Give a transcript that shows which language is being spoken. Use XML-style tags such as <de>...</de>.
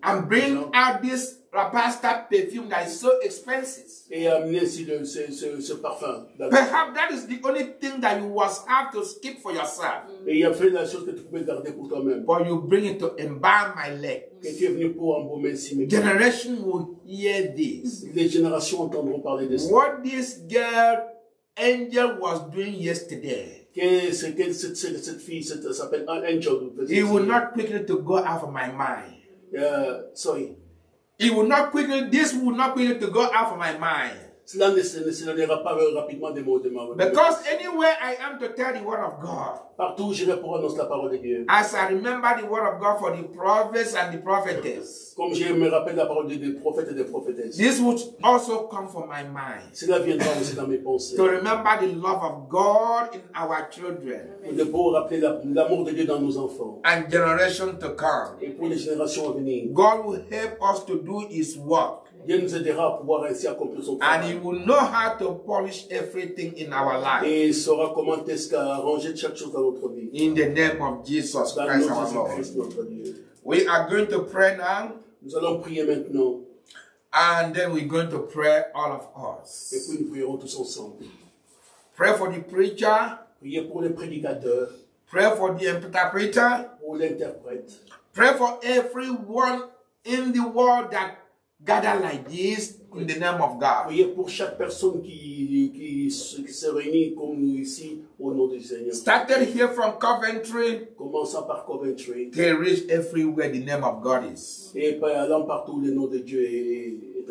<en>And bring out this alabaster perfume that is so expensive.</en> <fr>Et amener ici ce parfum.</fr> <en>Perhaps that is the only thing that you was have to skip for yourself.</en> <fr>Et il y a fait la chose que tu pouvais garder pour toi-même.</fr> <en>But you bring it to embalm my legs.</en> <fr>Que tu es venu pour embaumer ici mes pieds.</fr> <en>Generation will hear this.</en> <fr>Les générations entendront parler de ça.</fr> <en>What this girl angel was doing yesterday.</en> <fr>Cette fille s'appelle un angel.</fr> <en>He will not quickly to go out of my mind. Sorry. He will not quickly. This will not quickly to go out of my mind.</en> <fr>Cela ne s'éloignera pas rapidement de moi.</fr> <en>Because anywhere I am to tell the word of God.</en> <fr>Partout où j'irai pour annoncer la parole de Dieu.</fr> <en>As I remember the word of God for the prophets and the prophetess.</en> <fr>Comme je me rappelle la parole des prophètes et des prophétesses.</fr> <en>This would also come from my mind.</en> <fr>Cela viendra aussi dans mes pensées.</fr> <en>To remember the love of God in our children.</en> <fr>De pouvoir rappeler l'amour de Dieu dans nos enfants.</fr> <en>And generation to come.</en> <fr>Et pour les générations à venir.</fr> <en>God will help us to do His work.</en> <fr>Dieu nous aidera à pouvoir ainsi accomplir son</fr> <en>travail. And He will know how to polish everything in our life.</en> <fr>Et il saura comment est-ce qu'à arranger chaque chose dans notre vie.</fr> <en>In the name of Jesus Christ, our Lord. We are going to pray now.</en> <fr>Nous allons prier maintenant.</fr> <en>And then we're going to pray all of us.</en> <fr>Et puis nous prierons tous ensemble.</fr> <en>Pray for the preacher.</en> <fr>Priez pour le prédicateur.</fr> <en>Pray for the interpreter.</en> <fr>Pour l'interprète.</fr> <en>Pray for everyone in the world that gather like this in the name of God.</en> <fr>Priez pour chaque personne qui se réunit comme nous ici au nom du Seigneur.</fr> <en>Started here from Coventry.</en> <fr>Commençant par Coventry.</fr> <en>Can reach everywhere the name of God is.</en> <fr>Et allant partout le nom de Dieu est</fr>